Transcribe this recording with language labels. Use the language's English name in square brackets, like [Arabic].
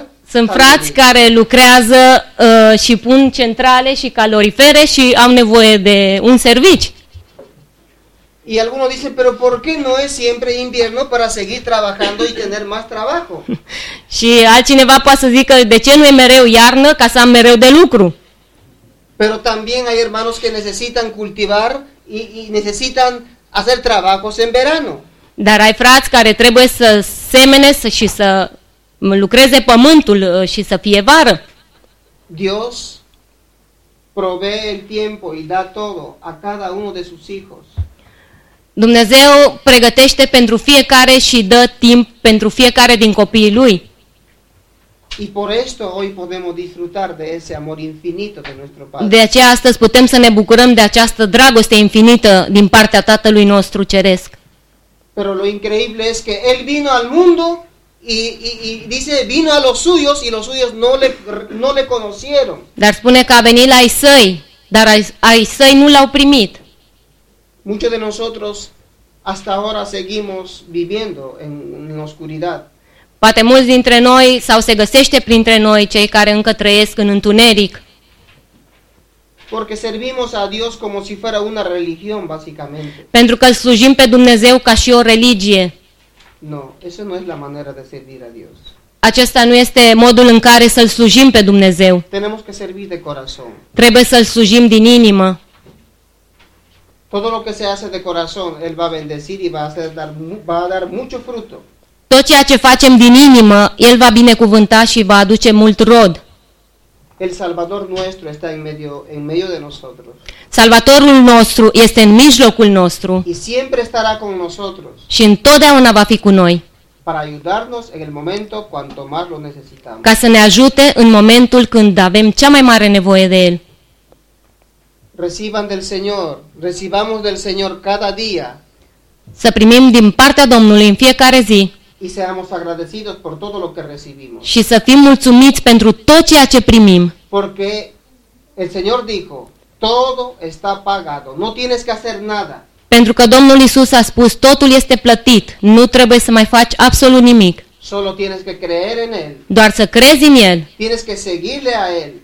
[Romanian] Sunt frați care lucrează și pun centrale și calorifere și au nevoie de un serviciu. [Spanish] Y algunos dicen, pero ¿por qué no es siempre invierno para seguir trabajando y tener más trabajo? [Romanian] Și altcineva poate să zică, de ce nu e mereu iarnă ca să am mereu de lucru? [Spanish] Pero también hay hermanos que necesitan cultivar y necesitan hacer trabajos en verano. [Romanian] Dar ai frați care trebuie să semene și să lucreze pământul și să fie vară. [Spanish] Dios provee el tiempo y da todo a cada uno de sus hijos. [Romanian] Dumnezeu pregătește pentru fiecare și dă timp pentru fiecare din copiii lui. [Spanish] Y por esto hoy podemos disfrutar de ese amor infinito de nuestro Padre. [Romanian] De aceea astăzi putem să ne bucurăm de această dragoste infinită din partea Tatălui nostru ceresc. [Spanish] Pero lo increíble es que él vino al mundo y dice vino a los suyos y los suyos no le conocieron. [Romanian] Dar spune că a venit la ai săi, dar ai săi nu l-au primit. [Spanish] Muchos de nosotros hasta ahora seguimos viviendo en oscuridad. [Romanian] Poate mulți dintre noi sau se găsește printre noi cei care încă trăiesc în întuneric. [Spanish] Porque servimos a Dios como si fuera una religión básicamente. [Romanian] Pentru că slujim pe Dumnezeu ca și o religie. [Spanish] No, eso no es la manera de servir a Dios. [Romanian] Acesta nu este modul în care să-l slujim pe Dumnezeu. [Spanish] Tenemos que servir de corazón. [Romanian] Trebuie să-l slujim din inimă. [Spanish] Todo lo que se hace de corazón, él va a bendecir y va a dar mucho fruto. [Romanian] Tot ceea ce facem din inimă, el va binecuvânta și va aduce mult rod. [Spanish] El Salvador nuestro está en medio de nosotros. [Romanian] Salvatorul nostru este în mijlocul nostru. [Spanish] Y siempre estará con nosotros. [Romanian] Și întotdeauna va fi cu noi. [Spanish] Para ayudarnos en el momento cuanto más lo necesitamos. [Romanian] Ca să ne ajute în momentul când avem cea mai mare nevoie de el. [Spanish] Reciban del Señor, recibamos del Señor cada día. [Romanian] Să primim din partea Domnului în fiecare zi. [Spanish] Y seamos agradecidos por todo lo que recibimos. [Romanian] Și să fim mulțumiți pentru tot ceea ce primim. [Spanish] Porque el Señor dijo, todo está pagado, no tienes que hacer nada. [Romanian] Pentru că Domnul Iisus a spus, totul este plătit, nu trebuie să mai faci absolut nimic. [Spanish] Solo tienes que creer en él. [Romanian] Doar să crezi în el. [Spanish] Tienes que seguirle a él.